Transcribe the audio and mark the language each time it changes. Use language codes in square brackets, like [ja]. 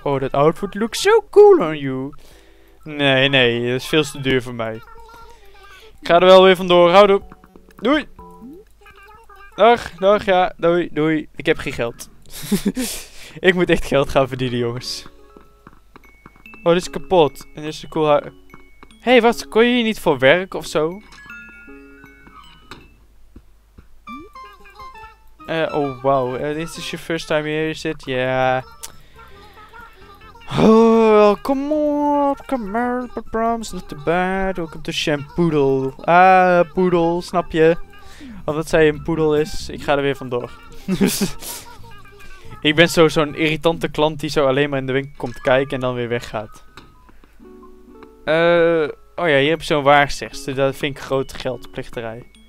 [en] Oh, that outfit looks so cool on you. [nl] Nee, dat is veel te duur voor mij. Ik ga er wel weer vandoor, hou op. Doei. Dag, ja, doei. Ik heb geen geld. Ik moet echt geld gaan verdienen, jongens. Oh, dit is kapot. En dit is een cool huis. Hey, wat, kon je hier niet voor werk of zo? [en] Is this your first time here, is it? Yeah. Oh, come on, my problems, not too bad. Welcome to Shampoodle. Poodle, [nl] snap je? Omdat zij een poedel is, ik ga er weer vandoor. Ik ben zo'n irritante klant die zo alleen maar in de winkel komt kijken en dan weer weggaat. Hier heb je zo'n waarzegster. Dat vind ik grote geldplichterij.